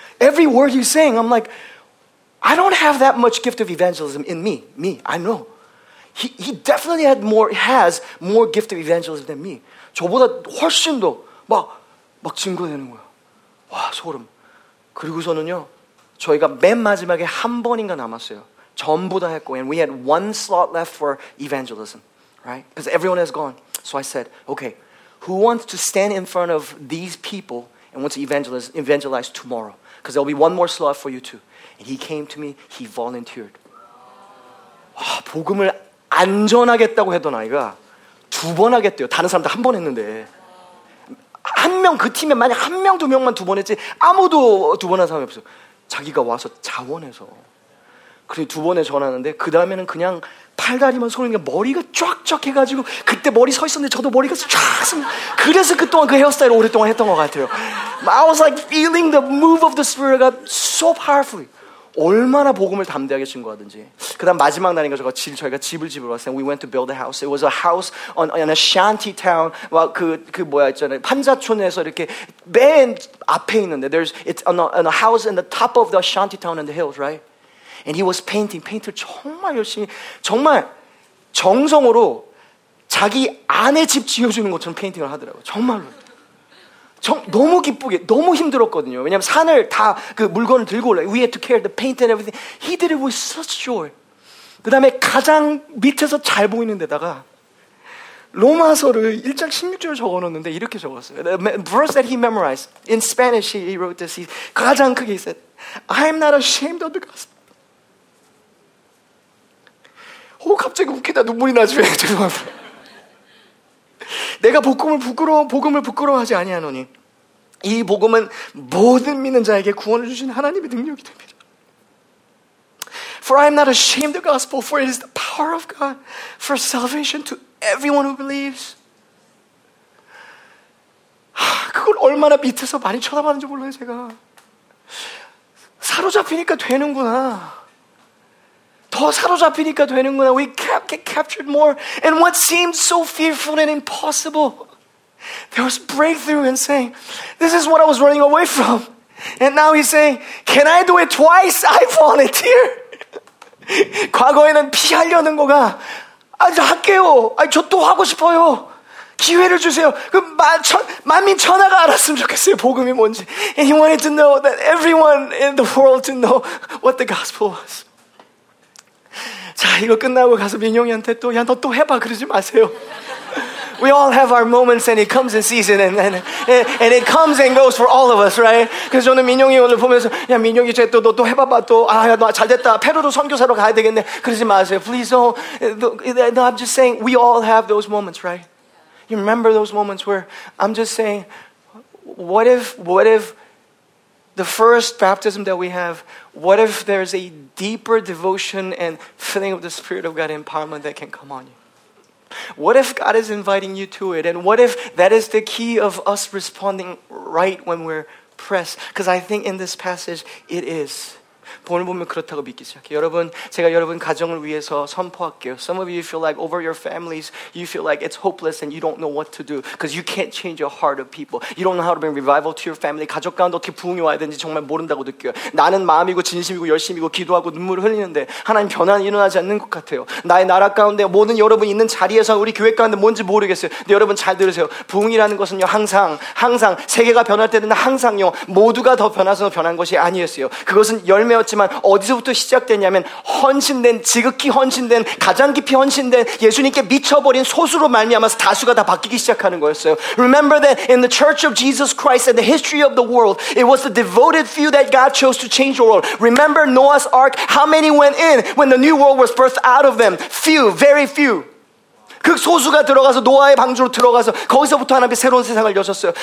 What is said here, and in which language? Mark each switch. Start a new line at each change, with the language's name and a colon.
English: Every word he's saying, I'm like, I don't have that much gift of evangelism in me. Me, I know. He definitely has more gift of evangelism than me.
Korean: 저보다 훨씬 더 막 증거되는 거예요. 와, 소름. 그리고서는요, 저희가 맨 마지막에 한 번인가 남았어요. 전부 다 했고,
English: and we had one slot left for evangelism, right? Because everyone has gone. So I said, okay. Who wants to stand in front of these people and wants to evangelize tomorrow? Because there'll be one more slot for you too. And he came to me, he volunteered.
Korean: 와, 복음을 안 전하겠다고 했던 아이가 두 번 하겠대요. 다른 사람도 한 번 했는데. 한 명, 그 팀에 만약 한 명, 두 명만 두 번 했지 아무도 두 번 한 사람이 없어. 자기가 와서 자원해서. 그리고 두 번에 전하는데 그 다음에는 그냥 팔다리만 손을 그냥 머리가 쫙쫙 해가지고 그때 머리 서 있었는데 저도 머리가 쫙 서 그래서 그동안 그 헤어스타일을 오랫동안 했던 것 같아요.
English: I was like feeling the move of the spirit so powerfully.
Korean: 얼마나 복음을 담대하게 증거하든지. 그 다음 마지막 날인가 저희가 집을 왔어요.
English: We went to build a house. It was a house on a shanty town.
Korean: 그 뭐야 있잖아요. 판자촌에서 이렇게 맨 앞에 있는데
English: it's on a house in the top of the shanty town in the hills, right? And he was painting.
Korean: 페인트를 정말 열심히, 정말 정성으로 자기 아내 집 지어주는 것처럼 페인팅을 하더라고요. 정말로. 너무 기쁘게, 너무 힘들었거든요. 왜냐면 산을 다 그 물건을 들고 올라요.
English: We had to carry the paint and everything. He did it with such joy.
Korean: 그 다음에 가장 밑에서 잘 보이는 데다가 로마서를 1장 16절을 적어놓는데 이렇게 적었어요.
English: The verse that he memorized. In Spanish, he wrote this. He
Korean: 가장 크게
English: said, I'm not ashamed of the gospel.
Korean: 오, 갑자기 웃기다 눈물이 나지 왜 죄송합니다. 내가 복음을 부끄러워하지 아니하노니 이 복음은 모든 믿는 자에게 구원을 주신 하나님의 능력이 됩니다.
English: For I am not ashamed of the gospel, for it is the power of God for salvation to everyone who believes.
Korean: 그걸 얼마나 밑에서 많이 쳐다봤는지 몰라요, 제가. 사로잡히니까 되는구나. 더 사로잡히니까 되는구나.
English: We kept get captured more. And what seemed so fearful and impossible, there was breakthrough in saying, this is what I was running away from. And now he's saying, can I do it twice? I volunteer.
Korean: 과거에는 피하려는 거가, 아, 저 할게요. 아, 저 또 하고 싶어요. 기회를 주세요. 그 만민 천하가 알았으면 좋겠어요. 복음이 뭔지.
English: And he wanted to know that everyone in the world to know what the gospel was.
Korean: 자, 이거 끝나고 가서 민영이한테 또, 야, 너 또 해봐. 그러지 마세요.
English: We all have our moments and it comes in season and it comes and goes for all of us, right?
Korean: 그래서 저는 민영이 오늘 보면서, 야, 민영이 쟤 또 해봐봐. 또, 아, 야, 너 잘 됐다. 페루도 선교사로 가야 되겠네. 그러지 마세요.
English: Please don't. No, I'm just saying we all have those moments, right? You remember those moments where I'm just saying, what if the first baptism that we have, what if there's a deeper devotion and filling of the Spirit of God empowerment that can come on you? What if God is inviting you to it? And what if that is the key of us responding right when we're pressed? Because I think in this passage, it is.
Korean: 본을 보면 그렇다고 믿기 시작해요. 여러분, 제가 여러분 가정을 위해서 선포할게요.
English: Some of you feel like over your families, you feel like it's hopeless and you don't know what to do because you can't change the heart of people. You don't know how to bring revival to your family.
Korean: 가족 가운데 어떻게 부흥이 와야 되는지 정말 모른다고 느껴요. 나는 마음이고 진심이고 열심이고 기도하고 눈물을 흘리는데 하나님 변화는 일어나지 않는 것 같아요. 나의 나라 가운데 모든 여러분 있는 자리에서 우리 교회 가운데 뭔지 모르겠어요. 근데 여러분 잘 들으세요. 부흥이라는 것은요 항상 세계가 변할 때는 항상요 모두가 더 변해서 변한 것이 아니었어요. 그것은 열매 지만 어디서부터 시작됐냐면 헌신된 지극히 헌신된 가장 깊이 헌신된 예수님께 미쳐버린 소수로 말미암아서 다수가 다 바뀌기 시작하는 거였어요.
English: Remember that in the Church of Jesus Christ and the history of the world, it was the devoted few that God chose to change the world. Remember Noah's ark. How many went in when the new world was birthed out of them? Few, very few.
Korean: 그 소수가 들어가서 노아의 방주로 들어가서 거기서부터 하나님이 새로운 세상을 여셨어요.